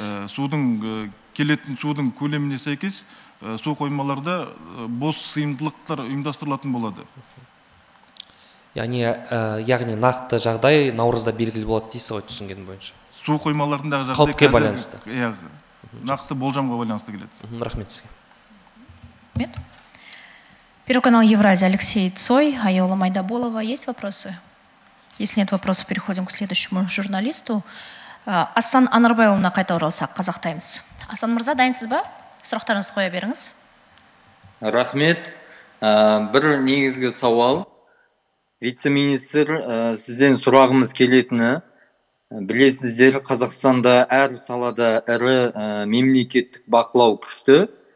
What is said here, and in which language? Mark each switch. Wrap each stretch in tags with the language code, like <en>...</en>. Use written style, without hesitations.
<kk>Судың келетін судың көлеміне сәйкес су қоймаларда бос сыйымдылықтар ұйымдастырылатын болады. Яғни нақты жағдай наурызда белгілі болады дейсіз ғой түсінгенім бойынша. Су қоймаларындағы жағдай қалыпқа байланысты. Иә. Нақты болжамға байланысты келеді. Рахмет сізге. Рахмет.</kk> <ru>Первый канал Евразия, Алексей Цой, Айола Майдаболова. Есть вопросы? Если нет вопросов, переходим к следующему журналисту.</ru> <kk>Асан Анарбайловна қайта оралсақ, Қазақ Таймс. Асан Мырза, дайынсыз ба? Сұрақтарыңызды қоя беріңіз. Рахмет. Бір негізгі сауал. Вице-министр, сізден сұрағымыз келетіні. Білесіздер, Қазақстанда әр салада әрі мемлекеттік бақылау күшті.</kk>